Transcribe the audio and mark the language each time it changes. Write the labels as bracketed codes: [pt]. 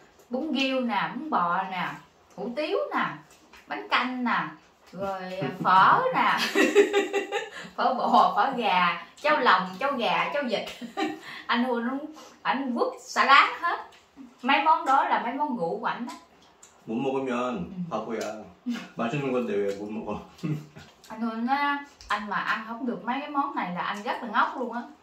[vi] Bún riêu nè, bún bò nè. Hủ tiếu nè. Bánh canh nè. Rồi phở nè. Phở bò, phở gà, cháo lòng, cháo gà, cháo vịt. Anh Huấn luôn, anh vứt xà lát hết. Mấy món đó là mấy món ngủ của anh đó. [ko] Muốn 먹으면 바보야. 맛있는 건데 왜 못 먹어. [vi] Anh Huấn á, anh mà ăn không được mấy cái món này là anh rất là ngốc luôn á.